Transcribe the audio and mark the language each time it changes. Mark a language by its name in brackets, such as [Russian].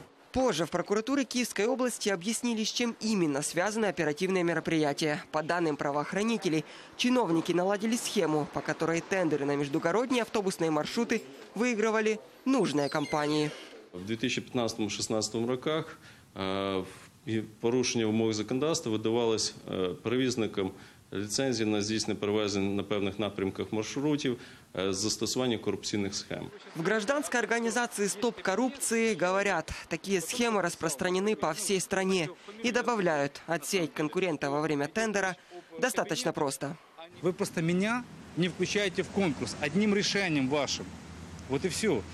[Russian] Позже в прокуратуре Киевской области объяснили, с чем именно связаны оперативные мероприятия. По данным правоохранителей, чиновники наладили схему, по которой тендеры на междугородние автобусные маршруты выигрывали нужные компании. [Ukrainian] В 2015-16 роках в і порушення вимог законодавства видавалось перевізникам ліцензії на здійснення перевезень на певних напрямках маршрутів з застосуванням корупційних схем. [Russian] В гражданской организации «Стоп коррупции» говорят, такие схемы распространены по всей стране. И добавляют, отсеять конкурента во время тендера достаточно просто. Вы просто меня не включаете в конкурс одним решением вашим. Вот и все.